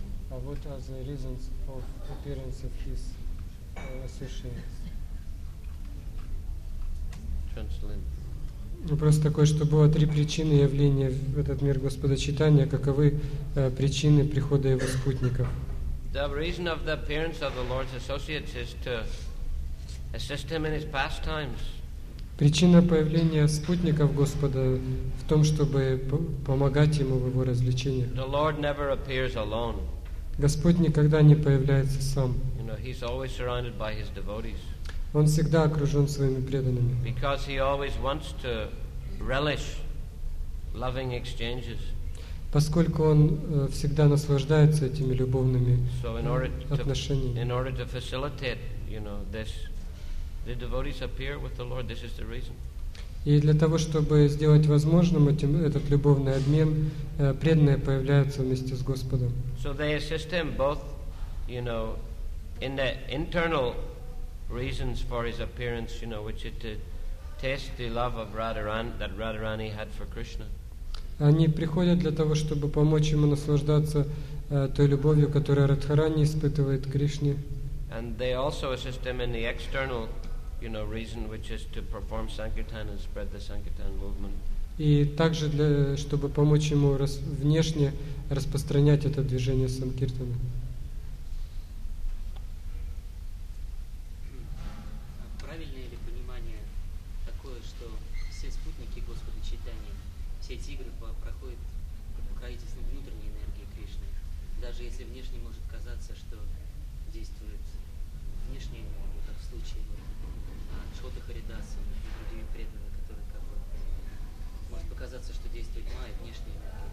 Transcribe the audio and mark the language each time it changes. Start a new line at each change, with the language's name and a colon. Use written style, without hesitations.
English: What are the reasons of appearance of his associates? Translate.
Russian: Ну просто такое, что было 3 причины явления в этот мир Господа Чайтанья. Каковы причины прихода его спутников?
English: The reason of the appearance of the Lord's associates is to assist him in his pastimes.
Russian: Причина появления спутников Господа в том, чтобы помогать ему в его развлечениях.
English: The Lord never appears alone.
Russian: Господь никогда не появляется сам.
English: You know, he's always surrounded by his devotees.
Russian: Он всегда окружен своими преданными.
English: Because he always wants to relish loving exchanges.
Russian: Поскольку он всегда наслаждается этими любовными отношениями.
English: In order to facilitate, you know, this, the devotees appear with the Lord. This is the reason.
Russian: И для того, чтобы сделать возможным этим, этот любовный обмен, преданные появляются вместе с Господом.
English: So they assist him both, you know, in the internal reasons for his appearance, you know, which is to test the love of Radharani, that Radharani had for Krishna.
Russian: Они приходят для того, чтобы помочь ему наслаждаться той любовью, которую Радхарани испытывает к Кришне.
English: And they also assist him in the external, you know, reason, which is to perform sankirtan and spread the sankirtan movement.
Russian: И также для, чтобы помочь ему внешне распространять это движение санкиртана. Правильно ли понимание такое, что все спутники Господа Чайтаньи, все тигры проходят покровительство внутренней энергии Кришны, даже если внешне может казаться, что действует внешний вот в случае Чхоты Харидаса и другими преданными, которые как бы может показаться, что действует майя, внешняя энергия